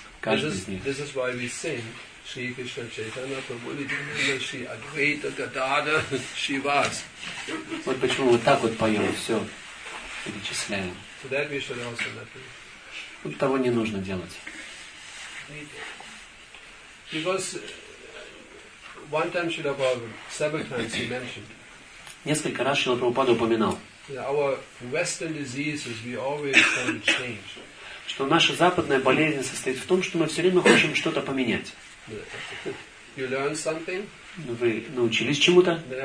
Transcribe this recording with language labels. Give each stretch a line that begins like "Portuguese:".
English: This is why we sing Shri Krishna Chaitanya Prabhu Nityananda Shri Advaita Gadadhar Shrivas.
Russian: Вот почему вот так вот поем, все перечисляем.
English: So that we should also not do.
Russian: Вот того не нужно делать.
English: Because one time Shri Prabhupada, several times he mentioned.
Russian: Несколько раз Шрила Прабхупада упоминал.
English: Our Western diseases we always try to change.
Russian: Что наша западная болезнь состоит в том, что мы все время хотим что-то поменять. Вы научились чему-то.